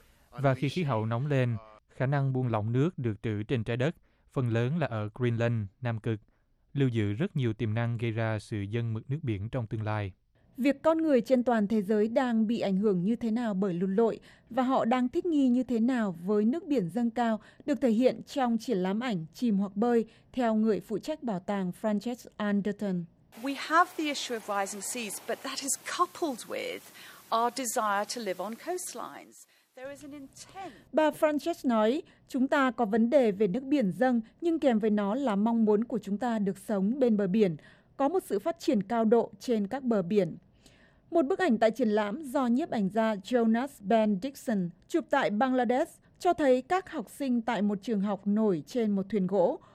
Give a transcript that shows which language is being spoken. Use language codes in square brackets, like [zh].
[vi] Và khi khí hậu nóng lên, khả năng buông lỏng nước được trữ trên trái đất, phần lớn là ở Greenland, Nam Cực, lưu giữ rất nhiều tiềm năng gây ra sự dâng mực nước biển trong tương lai. Việc con người trên toàn thế giới đang bị ảnh hưởng như thế nào bởi lụt lội và họ đang thích nghi như thế nào với nước biển dâng cao được thể hiện trong triển lãm ảnh Chìm hoặc bơi theo người phụ trách bảo tàng Frances Anderton. [en] We have the issue of rising seas, but that is coupled with our desire to live on coastlines. There is an intent. [vi] Bà Frances nói, chúng ta có vấn đề về nước biển dâng, nhưng kèm với nó là mong muốn của chúng ta được sống bên bờ biển, có một sự phát triển cao độ trên các bờ biển. Một bức ảnh tại triển lãm do nhiếp ảnh gia Jonas Ben Dixon chụp tại Bangladesh cho thấy các học sinh tại một trường học nổi trên một thuyền gỗ.